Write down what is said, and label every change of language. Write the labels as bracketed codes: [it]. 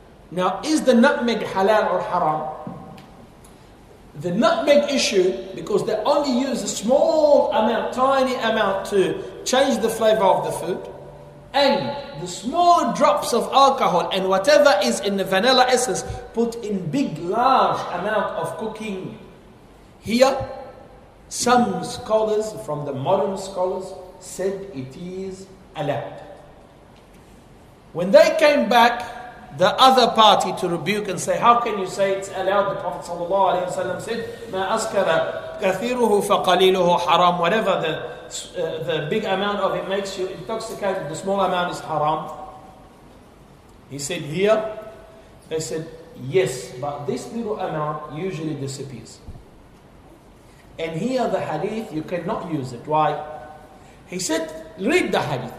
[en] Now, is the nutmeg halal or haram? The nutmeg issue, because they only use a small amount, tiny amount to change the flavor of the food, and the small drops of alcohol and whatever is in the vanilla essence put in big, large amount of cooking. Here, some scholars, from the modern scholars, said it is allowed. When they came back, the other party to rebuke and say, how can you say it's allowed? The Prophet ﷺ said, [ar] مَا أَسْكَرَ كَثِيرُهُ فَقَلِيلُهُ حَرَامٌ. [en] Whatever the big amount of it makes you intoxicated, the small amount is haram. He said, here, they said, yes, but this little amount usually disappears. And here the hadith, you cannot use it. Why? He said, read the hadith.